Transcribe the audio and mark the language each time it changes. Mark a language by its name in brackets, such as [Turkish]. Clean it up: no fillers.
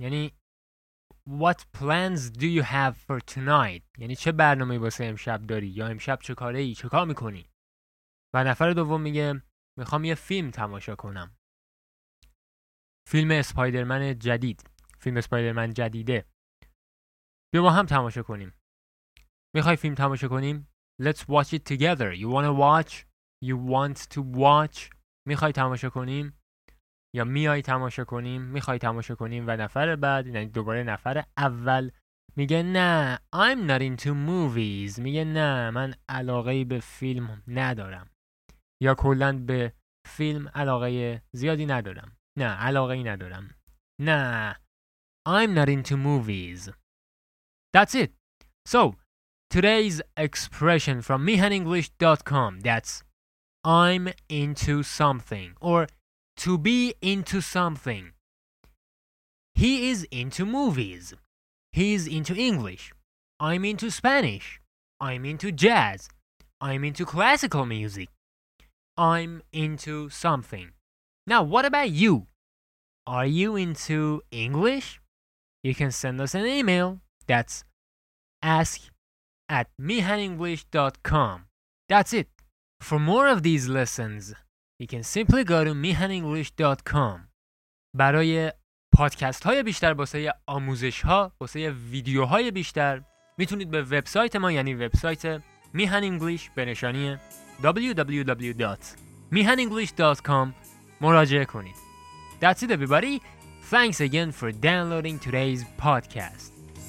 [English] یعنی What plans do you have for tonight? [Persian] یعنی چه برنامه‌ای واسه امشب داری؟ یا امشب چه کاری؟ چه کار می‌کنی؟ و نفر دوم میگه میخوام یه فیلم تماشا کنم. فیلم اسپایدرمن جدید. فیلم اسپایدرمن جدیده. بیا با هم تماشا کنیم. میخوای فیلم تماشا کنیم؟ [English] Let's watch it together. You want to watch? [Persian] You want to watch? میخوای تماشا کنیم؟ یا میای تماشا کنیم، میخوای تماشا کنیم، و نفر بعد، یعنی دوباره نفر اول میگه نه [English] I'm not into movies، [Persian] میگه نه من علاقه به فیلم ندارم یا کلن به فیلم علاقه زیادی ندارم، نه علاقه ندارم، نه I'm not into movies. [English] That's it. So today's expression from mihanenglish.com, that's I'm into something or to be into something. He is into movies. He's into English. I'm into Spanish. I'm into jazz. I'm into classical music. I'm into something. Now, what about you? Are you into English? You can send us an email. That's ask@mihanenglish.com. That's it. For more of these lessons, you can simply go to mihanenglish.com. [Persian] برای پادکست های بیشتر، واسه آموزش ها، واسه ویدیو های بیشتر، میتونید به وبسایت ما، یعنی وبسایت میهن انگلیش به نشانی www.mihanenglish.com مراجعه کنید. [English] That's it everybody. Thanks again for downloading today's podcast.